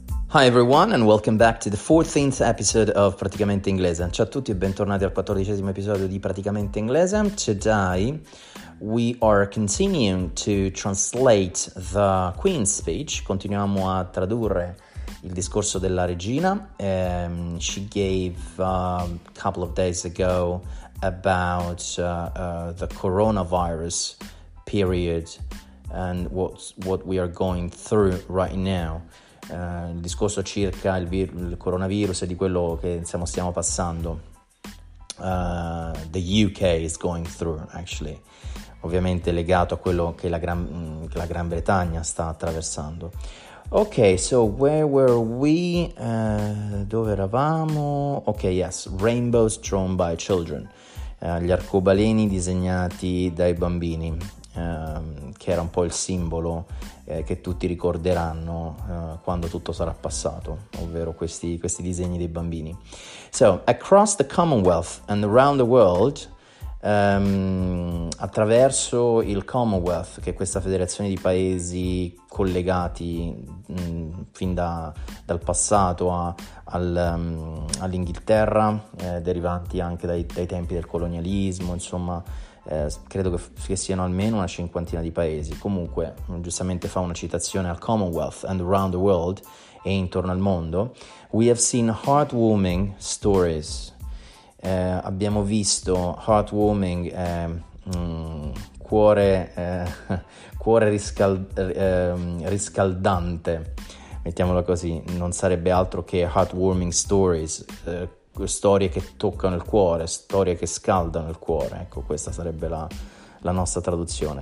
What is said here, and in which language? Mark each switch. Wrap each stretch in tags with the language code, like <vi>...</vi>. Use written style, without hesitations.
<en>Hi everyone and welcome back to the 14th episode of Praticamente Inglese.</en> <it>Ciao a tutti e bentornati al 14esimo episodio di Praticamente Inglese.</it> <en>Today we are continuing to translate the Queen's speech.</en> <it>Continuiamo a tradurre il discorso della regina.</it> <en>She gave a couple of days ago about the coronavirus period and what we are going through right now.</en> <it>Il discorso circa il coronavirus e di quello che stiamo passando.</it> <en>The UK is going through, actually.</en> <it>Ovviamente legato a quello che la Gran Bretagna sta attraversando.</it> <en>Ok, so where were we?</en> <it>Dove eravamo?</it> <en>Ok, yes, rainbows drawn by children.</en> <it>Gli arcobaleni disegnati dai bambini. Che era un po' il simbolo che tutti ricorderanno quando tutto sarà passato, ovvero questi disegni dei bambini.</it> <en>So, across the Commonwealth and around the world,</en> <it>attraverso il Commonwealth, che è questa federazione di paesi collegati fin dal passato all'Inghilterra, derivanti anche dai tempi del colonialismo, insomma. Credo che siano almeno una cinquantina di paesi. Comunque, giustamente fa una citazione al Commonwealth</it> <en>and around the world</en> <it>e intorno al mondo.</it> <en>We have seen heartwarming stories.</en> <it>Abbiamo visto heartwarming, cuore riscaldante, mettiamolo così, non sarebbe altro che heartwarming stories, storie che toccano il cuore, storie che scaldano il cuore, ecco, questa sarebbe la nostra traduzione.</it>